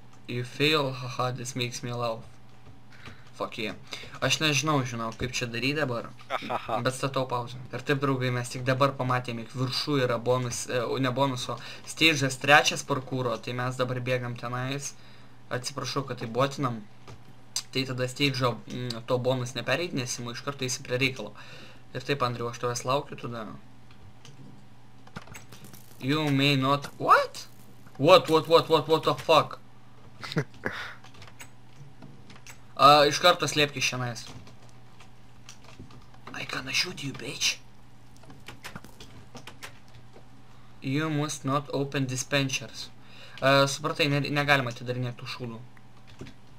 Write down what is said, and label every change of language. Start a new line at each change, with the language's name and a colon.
English: You fail, haha, this makes me laugh. Fuck yeah.
Lithuanian: Aš nežinau, žinau, kaip čia daryti dabar. Ahaha. Bet statau pauzę. Ir taip, draugai, mes tik dabar pamatėm, jog viršų yra bonus, ne bonus, o stage'as trečias parkūro, tai mes dabar bėgam tenais. Atsiprašau, kad tai botinam. Tai tada stage'o to bonus nepereidinėsimu, iš karto eisi prie reikalo. Ir taip, Andriu, aš tavęs laukiu tada.
English: You may not... What? What the fuck?
Lithuanian: Iš karto slėpki šiandien.
English: I gonna shoot you, bitch. You must not open dispensers.
Lithuanian: Supratai, negalima atidarinėti tų šūdų.